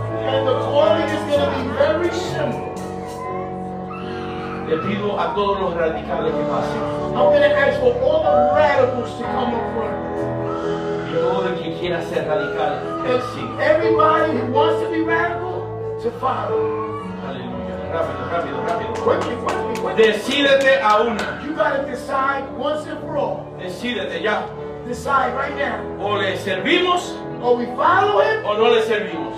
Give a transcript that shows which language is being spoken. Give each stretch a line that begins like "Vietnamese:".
English: And the calling is gonna be very simple.
Spanish: Le pido a todos los radicales que pasen.
English: I'm going to ask for all the radicals to come in front.
Spanish: Y todo el que quiera ser radical, que siga.
English: Everybody who wants to be radical, to follow.
Spanish: Hallelujah. Rápido, rápido, rápido. Decídete a una.
English: You got to decide once and for all.
Spanish: Decídete ya.
English: Decide right now.
Spanish: O le servimos.
English: Or we follow him.
Spanish: O no le servimos.